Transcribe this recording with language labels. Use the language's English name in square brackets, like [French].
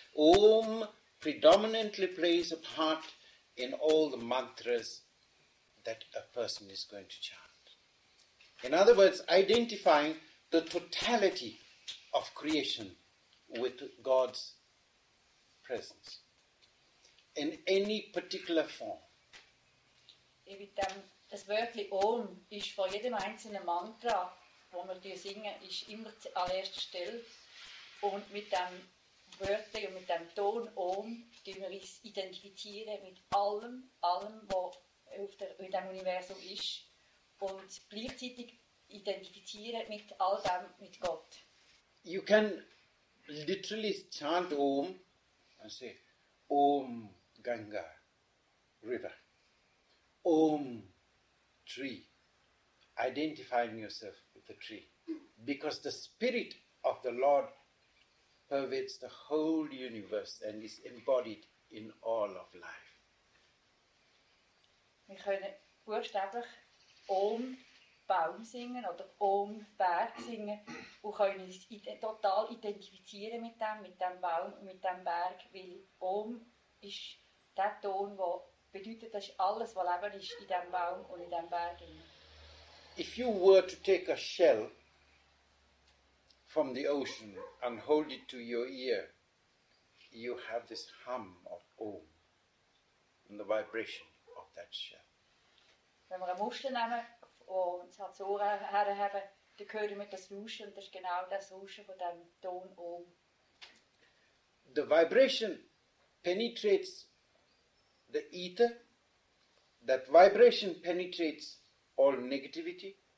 [English] Om predominantly plays a part in all the mantras that a person is going to chant. In other words, identifying the totality of creation with God's presence in any particular form. [German] Das Wörtli Om ist vor jedem einzelnen Mantra, wo wir singen, ist immer an erster Stelle. Und mit dem Wörtli und mit dem Ton Om tun wir uns identifizieren mit allem, was in dem Universum ist. Und gleichzeitig identifizieren mit all dem, mit Gott. [English] You can literally chant Om and say, Om Ganga, river. Om tree, identifying yourself with the tree, because the spirit of the Lord pervades the whole universe and is embodied in all of life. [German] Wir können buchstäblich Om Baum singen oder Om Berg singen und können uns total identifizieren mit dem Baum und mit dem Berg, weil Om ist der Ton, wo bedeutet, dass alles, was Leben ist, in diesem Baum und in diesem Berg. [English] If you were to take a shell from the ocean and hold it to your ear, you have this hum of Om and the vibration of that shell. [German] Wenn wir eine Muschel nehmen und es hat so herhaben, dann hören wir das Rauschen, und das ist genau das Rauschen von dem Ton Om. [English] The vibration penetrates the ether, that vibration penetrates all negativity.